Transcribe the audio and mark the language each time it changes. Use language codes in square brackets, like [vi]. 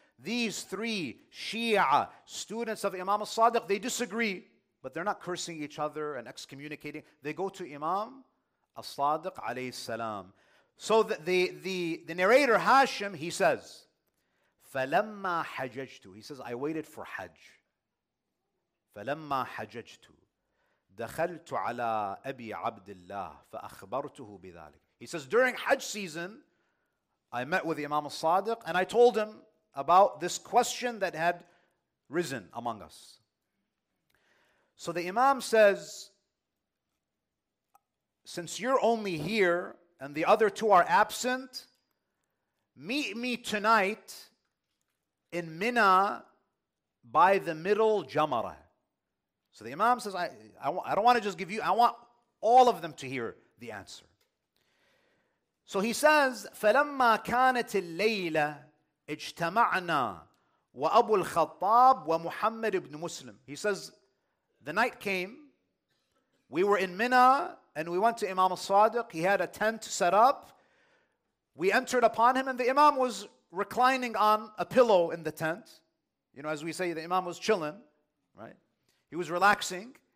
[en] These three Shia students of Imam al-Sadiq, they disagree, but they're not cursing each other and excommunicating. They go to Imam al-Sadiq alayhi salam. So the narrator Hashim, he says, [ar] فَلَمَّا حَجَجْتُ. [en] He says, I waited for Hajj. [ar] فلما حججت دخلت على أبي عبد الله فأخبرته بذلك. [en] He says, during Hajj season, I met with Imam al-Sadiq and I told him about this question that had risen among us. So the Imam says, since you're only here and the other two are absent, meet me tonight in Mina by the middle Jamara. So the Imam says, I don't want to just give you, I want all of them to hear the answer. So he says, [ar] فَلَمَّا كَانَتِ اللَّيْلَةِ اجْتَمَعْنَا وَأَبُو الْخَطَّابِ وَمُحَمَّدِ ibn Muslim. [en] He says, the night came, we were in Mina, and we went to Imam al-Sadiq. He had a tent set up. We entered upon him, and the Imam was reclining on a pillow in the tent. You know, as we say, the Imam was chilling, right? He was relaxing.